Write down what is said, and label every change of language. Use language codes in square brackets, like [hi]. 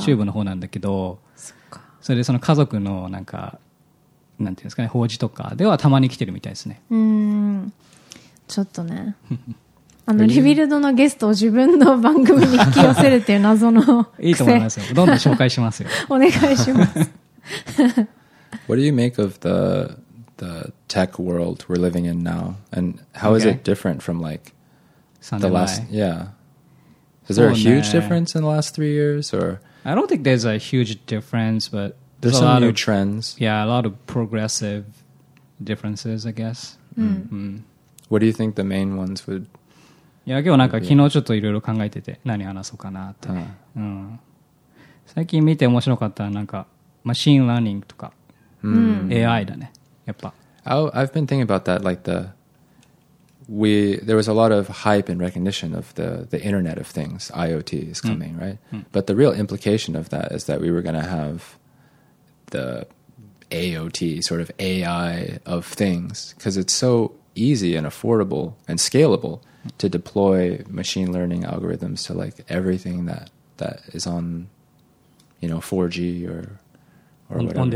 [ja] 中部の方なんだけど、それでその家族のなんかなんていうんですかね、法事とかではたまに来てるみたいですね。うん、ちょっとね。あのリビルドのゲストを自分の番組に引き寄せるっていう謎の癖。いいと思いますよ。どんどん紹介しますよ。お願いします。 [en] What do you make of the tech world we're living in now, and how is it different from like the last? Yeah, is there a huge difference in the last 3 years or? I don't think there's a huge difference, but there's some new trends. Yeah, a lot of progressive differences, I guess. Mm. Mm. What do you think the main ones would? [ja] Yeah, 今日なんか昨日ちょっといろいろ考えてて何話そうかなって。うん。最近見て面白かったなんかマシンラーニングとか、AI だね。やっぱ。 [en] I've been thinking about that, like there was a lot of hype and recognition of the Internet of Things, IoT is coming, right? But the real implication of that is that we were going to have the AOT, sort of AI of things, because it's so easy and affordable and scalable to deploy machine learning algorithms to like everything that is on, you know, 4G or whatever.